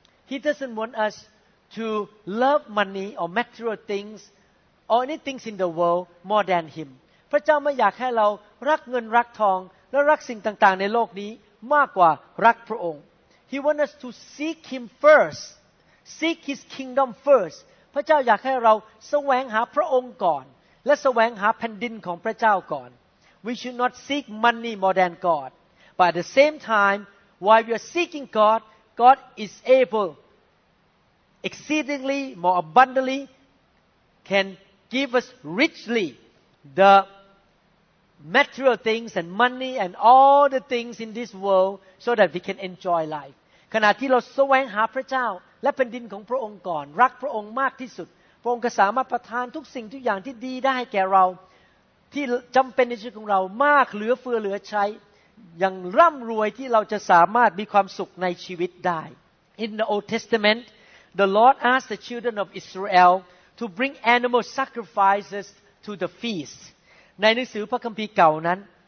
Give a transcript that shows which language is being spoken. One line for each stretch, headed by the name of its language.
English: He doesn't want us to love money or material things or anything in the world more than Him
Thai: พระเจ้าไม่อยากให้เรารักเงินรักทองและรักสิ่งต่างๆในโลกนี้มากกว่ารักพระองค์
English: He wants us to seek Him first, seek His kingdom first.
Thai: พระเจ้าอยากให้เราแสวงหาพระองค์ก่อนและแสวงหาแผ่นดินของพระเจ้าก่อน
English: We should not seek money more than God. But at the same time, while we are seeking God, God is able, exceedingly, more abundantly, can give us richly the material things and money and all the things in this world so that we can enjoy life.
Thai: ขณะที่เราแสวงหาพระเจ้าและแผ่นดินของพระองค์ก่อนรักพระองค์มากที่สุดพระองค์ก็สามารถประทานทุกสิ่งทุกอย่างที่ดีได้แก่เราที่จำเป็นในชีวิตของเรามากเหลือเฟือเหลือใช้อย่างร่ำรวยที่เราจะสามารถมีความสุขในชีวิตได้
English: In the Old Testament the Lord asked the children of Israel to bring animal sacrifices to the feast
Thai: ในหนังสือพระคัมภีร์เก่านั้น